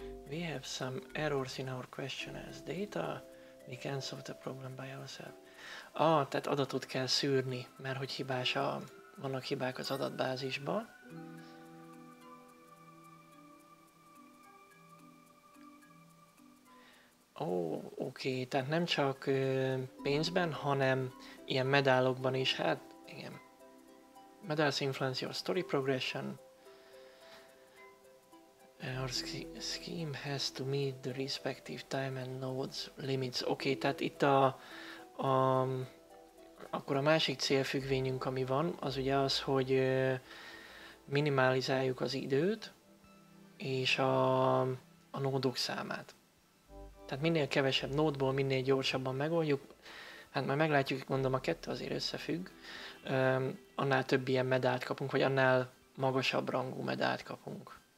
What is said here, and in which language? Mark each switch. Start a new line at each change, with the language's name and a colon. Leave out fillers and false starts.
English: We have some errors in our questionnaire's data. We can't solve the problem by ourselves.
Hungarian: Ah, tehát adatot kell szűrni, mert hogy hibás a... vannak hibák az adatbázisba. Ó, oké, tehát nem csak pénzben, hanem ilyen medálokban is, hát igen.
English: Medals influence your story progression. Our scheme has to meet the respective time and nodes limits.
Hungarian: Oké, tehát itt a akkor a másik célfüggvényünk, ami van, az ugye az, hogy minimalizáljuk az időt és a nódok számát. Tehát minél kevesebb nódból, minél gyorsabban megoldjuk, hát majd meglátjuk, mondom, a kettő azért összefügg, annál több ilyen medált kapunk, vagy annál magasabb rangú medált kapunk.